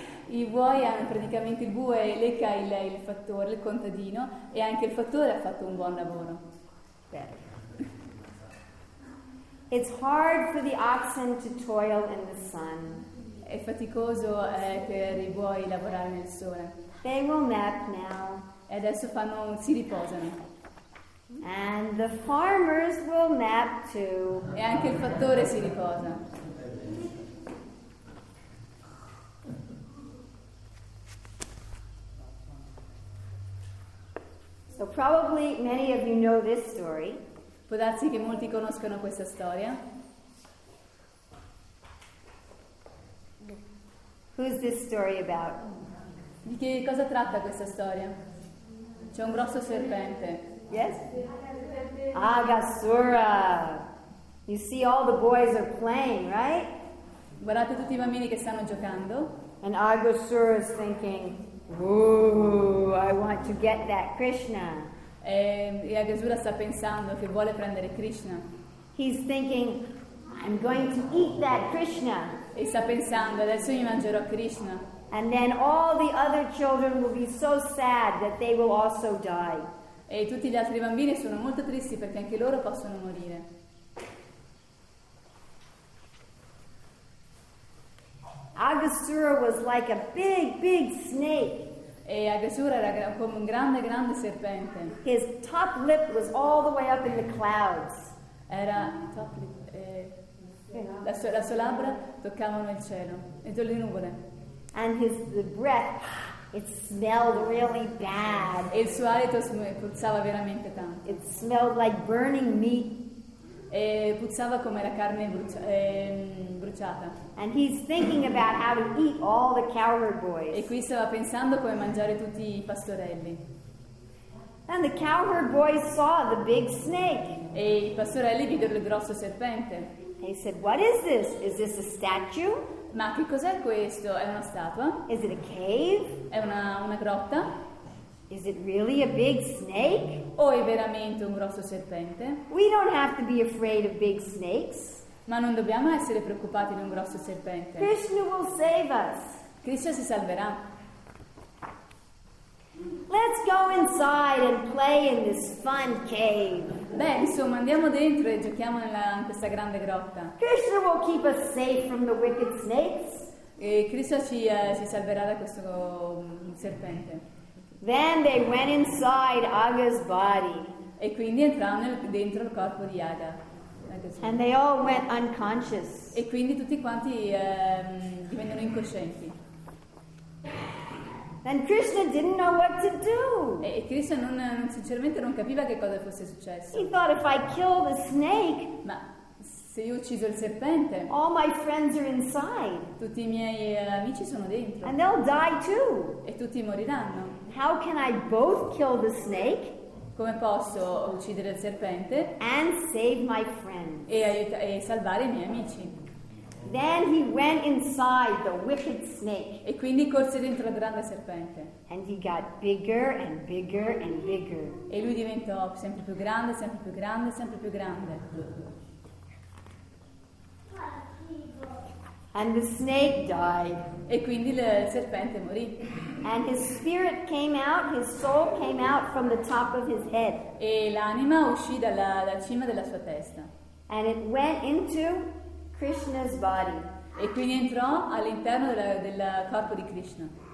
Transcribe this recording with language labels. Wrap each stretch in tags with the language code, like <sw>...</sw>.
<it>I buoi hanno praticamente il bue lecca il fattore, il contadino, e anche il fattore ha fatto un buon lavoro.</it> <en>It's hard for the oxen to toil in the sun.</en> <it>È faticoso per i buoi lavorare nel sole.</it> <en>They will nap now.</en> <it>E adesso si riposano.</it> <en>And the farmers will nap too.</en> <it>E anche il fattore si riposa.</it> <en>So probably many of you know this story.</en> <it>Può darsi che molti conoscano questa storia.</it> <en>Who's this story about?</en> <it>Di che cosa tratta questa storia? C'è un grosso serpente.</it> <en>Yes? Agasura. You see all the boys are playing, right?</en> <it>Guardate tutti i bambini che stanno giocando.</it> <en>And Agasura is thinking, ooh, I want to get that Krishna.</en> <it>E Agasura sta pensando che vuole prendere Krishna.</it> <en>He's thinking, I'm going to eat that Krishna.</en> <it>E sta pensando, adesso mi mangerò Krishna.</it> <en>And then all the other children will be so sad that they will also die.</en> <it>E tutti gli altri bambini sono molto tristi perché anche loro possono morire.</it> <en>Agasura was like a big, big snake.</en> <it>E Agasura era come un grande, grande serpente.</it> <en>His top lip was all the way up in the clouds. Era top lip.</en> <it>La sua labbra toccavano il cielo e le nuvole.</it> <en>And the breath, it smelled really bad.</en> <it>E il suo alito puzzava veramente tanto.</it> <en>It smelled like burning meat.</en> <it>E puzzava come la carne bruciata.</it> <en>And he's thinking about how to eat all the cowherd boys.</en> <it>E qui stava pensando come mangiare tutti i pastorelli.</it> <en>And the cowherd boys saw the big snake.</en> <it>E i pastorelli videro il grosso serpente.</it> <en>They said, "What is this? Is this a statue?"</en> <it>Ma che cos'è questo? È una statua?</it> <en>Is it a cave?</en> <it>È una grotta?</it> <en>Is it really a big snake?</en> <it>O è veramente un grosso serpente?</it> <en>We don't have to be afraid of big snakes.</en> <it>Ma non dobbiamo essere preoccupati di un grosso serpente.</it> <en>Krishna will save us.</en> <it>Krishna si salverà.</it> <en>Let's go inside and play in this fun cave.</en> <it>Beh, insomma, andiamo dentro e giochiamo in questa grande grotta.</it> <en>Krishna will keep us safe from the wicked snakes.</en> <it>E Krishna ci si salverà da questo serpente.</it> <en>Then they went inside Aga's body.</en> <it>E quindi entrarono dentro il corpo di Aga.</it> <en>And they all went unconscious.</en> <it>E quindi tutti quanti divennero incoscienti.</it> <en>And Krishna didn't know what to do.</en> <it>E Krishna sinceramente non capiva che cosa fosse successo.</it> <en>He thought if I kill the snake,</en> <it>ma se io ucciso il serpente,</it> <en>all my friends are inside.</en> <it>Tutti i miei amici sono dentro.</it> <en>And they'll die too.</en> <it>E tutti moriranno.</it> <en>How can I both kill the snake?</en> <it>Come posso uccidere il serpente?</it> <en>And save my friends.</en> <it>E salvare i miei amici.</it> <en>Then he went inside the wicked snake.</en> <it>E quindi corse dentro la grande serpente.</it> <en>And he got bigger and bigger and bigger.</en> <it>E lui diventò sempre più grande, sempre più grande, sempre più grande.</it> <en>And the snake died.</en> <it>E quindi il serpente morì.</it> <en>And his spirit came out, his soul came out from the top of his head.</en> <it>E l'anima uscì dalla cima della sua testa.</it> <en>And it went into Krishna's body.</en> <it>E quindi entrò all'interno del corpo di Krishna.</it>